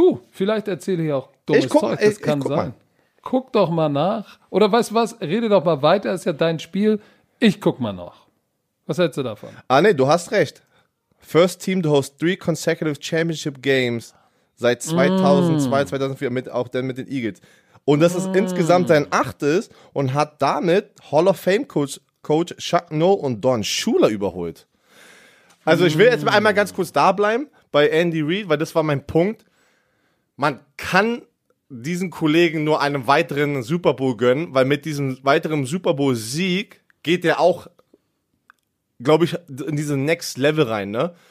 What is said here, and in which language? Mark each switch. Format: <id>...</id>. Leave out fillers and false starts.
<de>Vielleicht erzähle ich auch dummes Zeug, das kann sein. Guck doch mal nach. Oder weißt du was? Rede doch mal weiter, ist ja dein Spiel. Ich guck mal noch. Was hältst du davon? Ah, nee, du hast recht.</de> <en>First team to host three consecutive championship games.</en> <de>Seit 2002, 2004, mit den Eagles. Und das ist insgesamt sein achtes und hat damit Hall of Fame Coach Chuck Noll und Don Shula überholt. Also ich will jetzt einmal ganz kurz da bleiben bei Andy Reid, weil das war mein Punkt. Man kann diesen Kollegen nur einen weiteren Super Bowl gönnen, weil mit diesem weiteren Super Bowl Sieg geht er auch, glaube ich, in diesen Next Level rein, ne?</de>